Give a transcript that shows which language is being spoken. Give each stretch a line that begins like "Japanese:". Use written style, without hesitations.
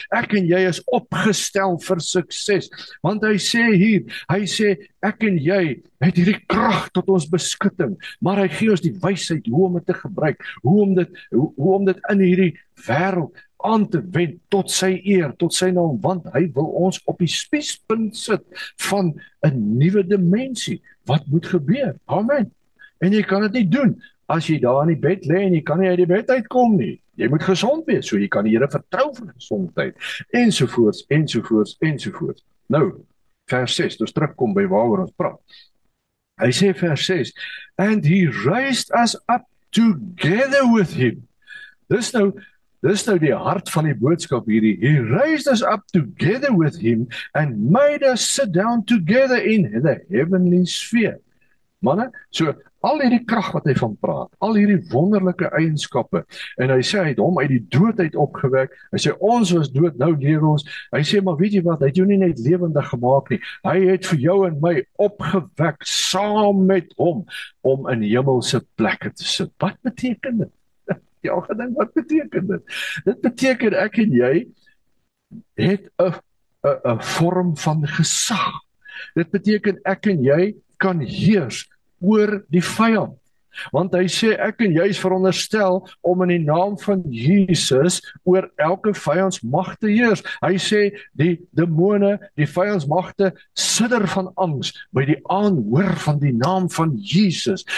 Afrikaans: Ek en jy is opgestel vir sukses. Want hy sê hier, hy sê, ek en jy het hierdie krag tot ons beskutting, maar hy gee ons die wysheid hoe om dit te gebruik, hoe om dit in hierdie wêreld aan te wend tot sy eer, tot sy naam, want hy wil ons op die spiespunt sit van 'n nuwe dimensie. Wat moet gebeur? Amen. En jy kan dit nie doen as jy daar in die bed lê en jy kan nie uit die bed uitkom nie. Jy moet gesond wees, so jy kan die Here vertrou vir gesondheid, ensovoorts, ensovoorts, ensovoorts. Nou, vers 6, dus terugkom by waar ons praat. Hy sê vers 6,
English: and he raised us up together with him.
Afrikaans: Dis nou, Dis nou die hart van die boodskap hierdie.
English: He raised us up together with him and made us sit down together in the heavenly sphere.
Afrikaans: Manne, so al hierdie krag wat hy van praat, al hierdie wonderlike eienskappe, en hy sê, hy het hom uit die doodheid opgewek, hy sê, ons was dood, nou leef ons, hy sê, maar weet jy wat, hy het jou nie net lewendig gemaak nie, hy het vir jou en my opgewek, saam met hom, om in hemelse plekke te sit. Wat beteken dit? Ja, gedink, wat beteken dit? Dit beteken, ek en jy het een vorm van gesag. Dit beteken, ek en jy kan heers oor die vijand. Want hy sê, ek en jy is veronderstel om in die naam van Jesus oor elke vijandsmacht te heers. Hy sê, die demone, die vijandsmachte, sidder van angs, by die aanhoor van die naam van Jesus.